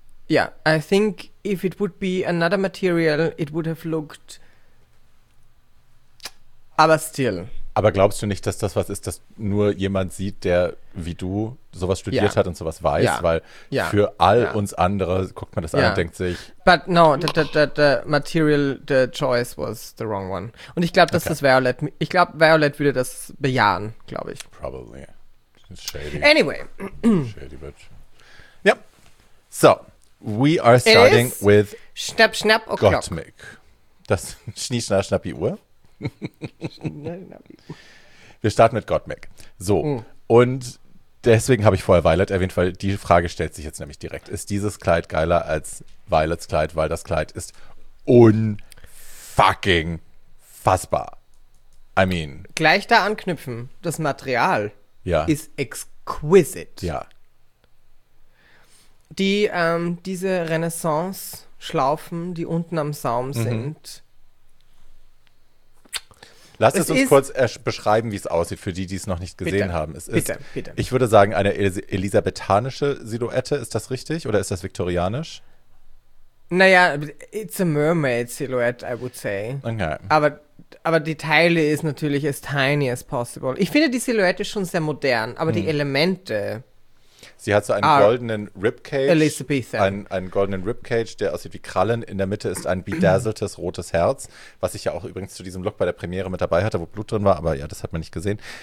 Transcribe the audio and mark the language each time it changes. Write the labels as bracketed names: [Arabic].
[English] Yeah, I think if it would be another material, it would have looked... [German] Aber still. Aber glaubst du nicht, dass das was ist, das nur jemand sieht, der wie du sowas studiert hat und sowas weiß? Yeah. Weil für all uns andere guckt man das an und denkt sich... [English] But no, the material, the choice was the wrong one. [German] Und ich glaube, dass das Violet... Ich glaube, Violet würde das bejahen, glaube ich. [English] Probably. It's shady. Anyway. Shady bitch. Yep. So, we are starting with... [German] Schnapp, schnapp, o'clock. Gottmik. Das Schnie, Schnapp, Schnapp, die Uhr. Wir starten mit Gottmik. So, und deswegen habe ich vorher Violet erwähnt, weil die Frage stellt sich jetzt nämlich direkt. Ist dieses Kleid geiler als Violets Kleid, weil das Kleid ist unfucking fassbar. [English] I mean. [German] Gleich da anknüpfen, das Material ist exquisite. Ja. Die, diese Renaissance-Schlaufen, die unten am Saum sind, lass es uns kurz beschreiben, wie es aussieht, für die, die es noch nicht gesehen haben. Es ist, ich würde sagen, eine elisabethanische Silhouette. Ist das richtig oder ist das viktorianisch? [English] Naja, it's a mermaid silhouette, I would say. Okay. [German] Aber die Teile ist natürlich [English] as tiny as possible. [German] Ich finde die Silhouette schon sehr modern, aber die Elemente... Sie hat so einen goldenen Ribcage. Elizabethan. Einen goldenen Ribcage, der aussieht wie Krallen. In der Mitte ist ein bedazzeltes rotes Herz, was ich ja auch übrigens zu diesem Look bei der Premiere mit dabei hatte, wo Blut drin war, aber ja, das hat man nicht gesehen.